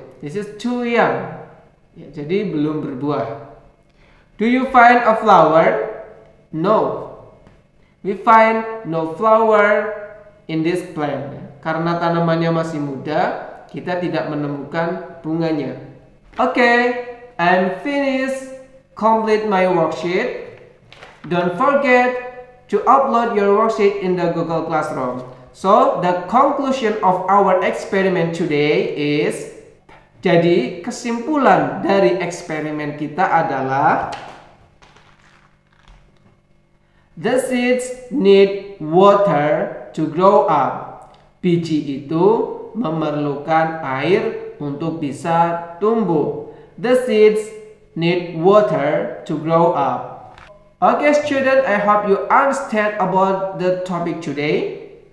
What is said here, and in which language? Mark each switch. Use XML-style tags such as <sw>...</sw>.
<en>This is too young.</en> <id>Ya, jadi belum berbuah.</id> <en>Do you find a flower? No. We find no flower in this plant.</en> <id>Karena tanamannya masih muda, kita tidak menemukan bunganya.</id> <en>Okay, I'm finished. Complete my worksheet. Don't forget to upload your worksheet in the Google Classroom. So, the conclusion of our experiment today is...</en> <id>Jadi, kesimpulan dari eksperimen kita adalah...</id> <en>The seeds need water to grow up.</en> <id>Biji itu memerlukan air untuk bisa tumbuh.</id> <en>The seeds need water to grow up. Okay, student, I hope you understand about the topic today.</en>